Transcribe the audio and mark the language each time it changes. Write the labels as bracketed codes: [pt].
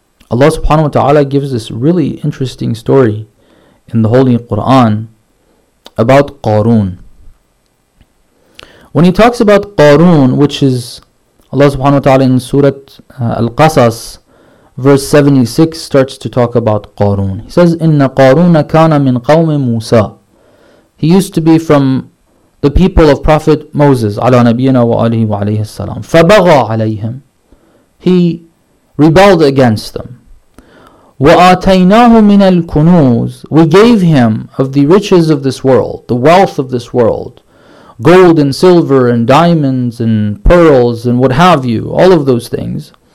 [en] Allah subhanahu wa ta'ala gives this really interesting story in the Holy Quran about Qarun. When he talks about Qarun, which is Allah subhanahu wa ta'ala in Surah Al-Qasas, verse 76 starts to talk about Qarun. He says, [ar] إِنَّ قَارُونَ كَانَ مِنْ قَوْمِ مُوسَىٰ. [en] He used to be from the people of Prophet Moses, [ar] عَلَىٰ نَبِيِّنَا وَعَلِهِ وَعَلَيْهِ السَّلَامِ. فَبَغَىٰ عَلَيْهِمْ. [en] He rebelled against them. [ar] وَآتَيْنَاهُ مِنَ الْكُنُوزِ. [en] We gave him of the riches of this world, the wealth of this world, gold and silver and diamonds and pearls and what have you, all of those things.